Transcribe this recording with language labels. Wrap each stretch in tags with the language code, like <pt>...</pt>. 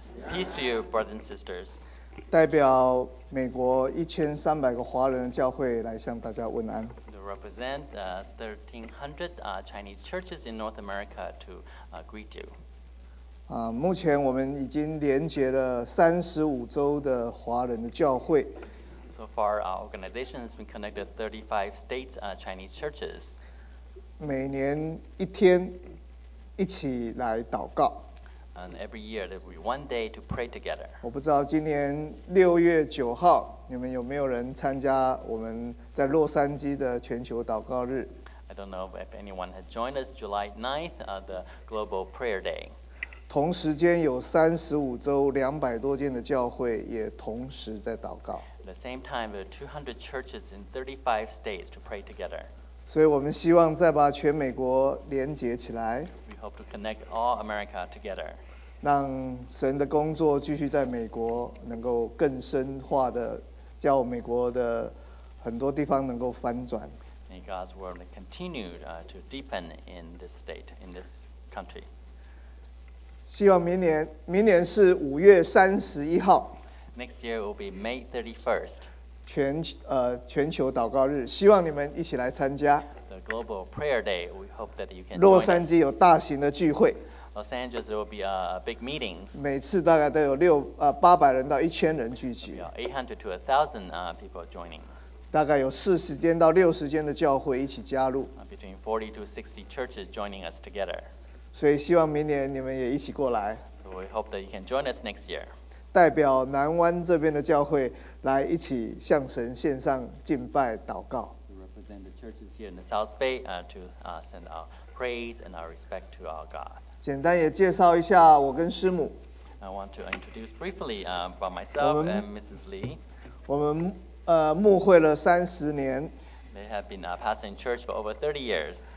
<en>Peace to you, brothers and sisters.</en> <zh>代表美国1300个华人教会来向大家问安。</zh> <en>To represent 1300 Chinese churches in North America to greet you.</en> <zh>目前我们已经连接了35州的华人的教会。</zh> <en>So far, our organization has been connected 35 states Chinese churches.</en> <zh>每年一天一起来祷告。</zh> <en>And every year, there will be one day to pray together.</en> <zh>我不知道今年六月九号，你们有没有人参加我们在洛杉矶的全球祷告日</zh> <en>？I don't know if anyone has joined us July 9th, the Global Prayer Day.</en> <zh>同时间有35州200多间的教会也同时在祷告。</zh> <en>At the same time, there are 200 churches in 35 states to pray together.</en> <zh>所以我们希望再把全美国连结起来。</zh> <en>Hope to connect all America together.</en> <zh>让神的工作继续在美国能够更深化的，叫美国的很多地方能够翻转。</zh> <en>May God's word continue to deepen in this state, in this country.</en> <zh>希望明年是五月三十一号。</zh> <en>Next year will be May 31st.</en> <zh>全球祷告日，希望你们一起来参加。</zh> <en>The Global Prayer Day. We hope that you can.</en> <zh>洛杉矶有大型的聚会。</zh> <en>Los Angeles there will be a big meeting.</en> <zh>每次大概都有八百人到一千人聚集。</zh> <en>800 to 1,000 people joining.</en> <zh>大概有40间到60间的教会一起加入。</zh> <en>Between 40 to 60 churches joining us together.</en> <zh>所以希望明年你们也一起过来。</zh> <en>So we hope that you can join us next year.</en> <zh>代表南湾这边的教会来一起向神献上敬拜祷告。</zh> <en>Send the churches here in the South Bay to send our praise and our respect to our God.</en> <zh>简单也介绍一下我跟师母。</zh> <en>I want to introduce briefly by myself and Mrs. Lee.</en> <zh>我们牧会了30年。</zh> <en>They have been pastoring church for over 30 years.</en>